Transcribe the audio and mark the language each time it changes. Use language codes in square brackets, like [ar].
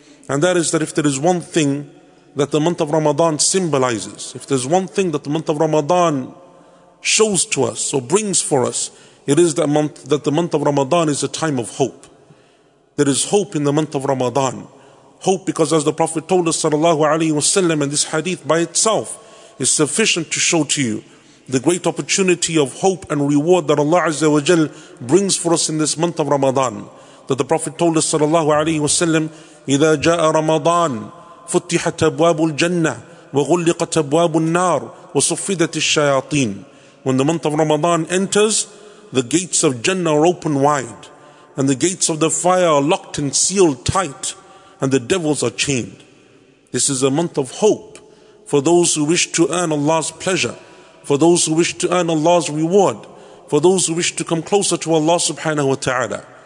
[en] And that is that if there is one thing that the month of Ramadan symbolizes, if there's one thing that the month of Ramadan shows to us or brings for us, it is that the month of Ramadan is a time of hope. There is hope in the month of Ramadan. Hope because, as the Prophet told us, sallallahu alayhi wasallam, and this hadith by itself is sufficient to show to you the great opportunity of hope and reward that Allah azza wa jal brings for us in this month of Ramadan. That the Prophet told us, sallallahu alayhi wasallam, [ar] إذا جاء رمضان فتحت أبواب الجنة وغلقت أبواب النار وصفدت الشياطين. [en] When the month of Ramadan enters, the gates of Jannah are open wide, and the gates of the fire are locked and sealed tight, and the devils are chained. This is a month of hope for those who wish to earn Allah's pleasure, for those who wish to earn Allah's reward, for those who wish to come closer to Allah subhanahu wa ta'ala.